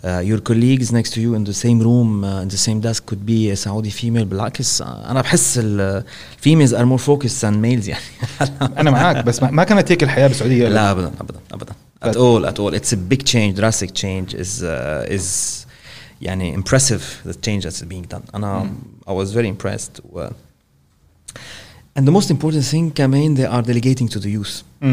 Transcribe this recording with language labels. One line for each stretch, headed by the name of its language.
English: Your colleagues next to you in the same room in the same desk could be a Saudi female.
Arabic: بالعكس انا بحس ال
English: females are more focused than males.
Arabic: يعني انا معك، بس ما كانت هيك الحياة بالسعودية. لا ابدا ابدا ابدا
English: at all. It's a big change, drastic change. Is يعني impressive the change that's being done. And I was very impressed. And the most important thing came in, they are delegating to the youth.